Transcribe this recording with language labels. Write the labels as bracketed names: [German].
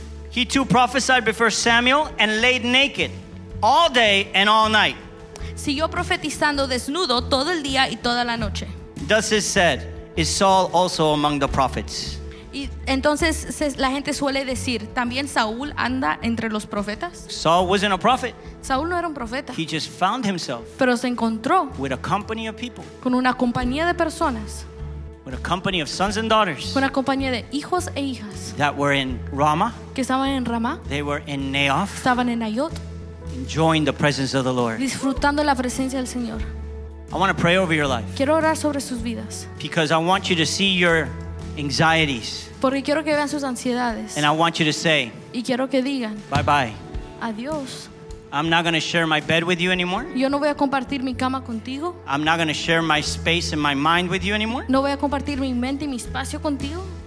[English] He too prophesied before Samuel and laid naked all day and all night. [Spanish] Siguió profetizando desnudo todo el día y toda la noche. [English] Thus is said, is Saul also among the prophets? [Spanish] Y entonces la gente suele decir, ¿también Saúl anda entre los profetas? [English] Saul wasn't a prophet. [Spanish] Saúl no era un profeta. [English] He just found himself. [Spanish] Pero se encontró. [English] With a company of people. [Spanish] Con una compañía de personas. [English] With a company of sons and daughters. [Spanish] Una compañía de hijos e hijas. [English] That were in Ramah. [Spanish] Que estaban en Ramah. [English] They were in Naioth. [Spanish] Estaban en Nayot. [English] Enjoying the presence of the Lord. [Spanish] Disfrutando la presencia del Señor. [English] I want to pray over your life. [Spanish] Quiero orar sobre sus vidas. [English] Because I want you to see your anxieties. [Spanish] Porque quiero que vean sus ansiedades. [English] And I want you to say. [Spanish] Y quiero que digan. [English] Bye bye. [Spanish] Adiós. [English] I'm not going to share my bed with you anymore. [Spanish] Yo no voy a compartir mi cama contigo. [English] I'm not going to share my space and my mind with you anymore. [Spanish] No voy a compartir mi mente y mi espacio contigo.